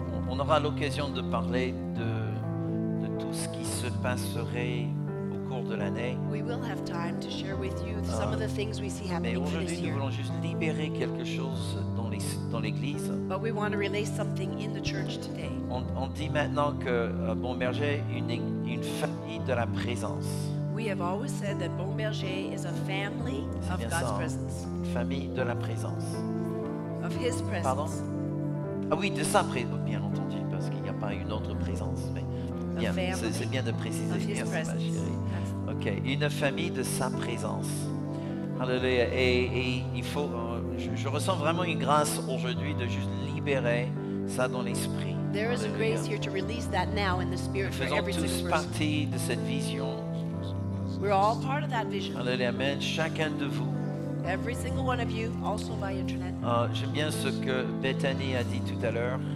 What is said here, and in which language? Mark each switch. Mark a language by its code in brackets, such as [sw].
[fr] On aura l'occasion de parler de tout ce qui se passerait au cours de l'année. [en] We will have time to share with you some of the things we see happening this year. [fr] Mais aujourd'hui, nous voulons juste libérer quelque chose dans l'Église. [en] But we want to release something in the church today. [fr] On dit maintenant que Bon Berger est une famille de la présence. [en] We have always said that Bon Berger is a family of God's presence. [fr] Une famille de la présence. [en] Of His presence. [fr] Pardon? Ah oui, de sa présence, bien entendu, parce qu'il n'y a pas une autre présence, mais bien, c'est bien de préciser. Merci, ma chérie. Ok, une famille de sa présence. Alléluia. Et il faut, je ressens vraiment une grâce aujourd'hui de juste libérer ça dans l'esprit. [en] There is a grace here to release that now in the spirit for every single person. [fr] Nous faisons tous partie de cette vision. [en] We're all part of that vision. [fr] Alléluia. Amen. Chacun de vous. [en] Every single one of you, also by internet. [fr] J'aime bien ce que Bethany a dit tout à l'heure.